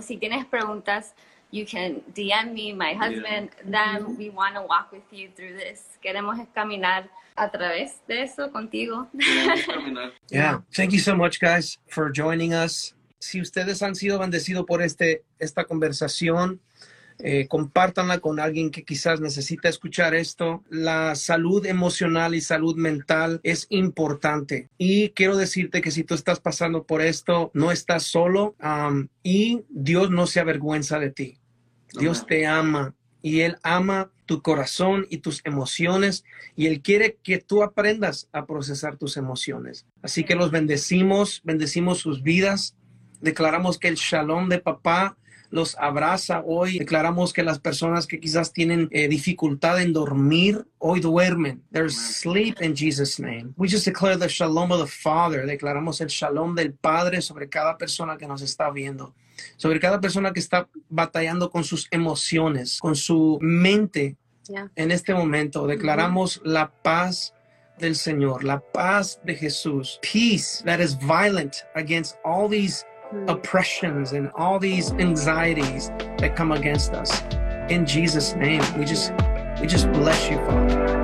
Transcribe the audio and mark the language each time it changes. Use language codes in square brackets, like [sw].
[en] Si tienes preguntas, you can DM me, my husband, then we want to walk with you through this. [es] Queremos caminar a través de eso contigo. [en] Yeah, thank you so much, guys, for joining us. [es] Si ustedes han sido bendecidos por esta conversación, compártanla con alguien que quizás necesita escuchar esto. La salud emocional y salud mental es importante. Y quiero decirte que si tú estás pasando por esto, no estás solo, y Dios no se avergüenza de ti. Dios te ama y Él ama tu corazón y tus emociones, y Él quiere que tú aprendas a procesar tus emociones. Así que los bendecimos, bendecimos sus vidas. Declaramos que el shalom de papá los abraza hoy. Declaramos que las personas que quizás tienen dificultad en dormir, hoy duermen. [en] There's sleep in Jesus' name. We just declare the shalom of the Father. [es] Declaramos el shalom del Padre sobre cada persona que nos está viendo. Sobre cada persona que está batallando con sus emociones, con su mente en este momento. Declaramos la paz del Señor, la paz de Jesús. [en] Peace that is violent against all these oppressions and all these anxieties that come against us. In Jesus' name, we just bless you, Father.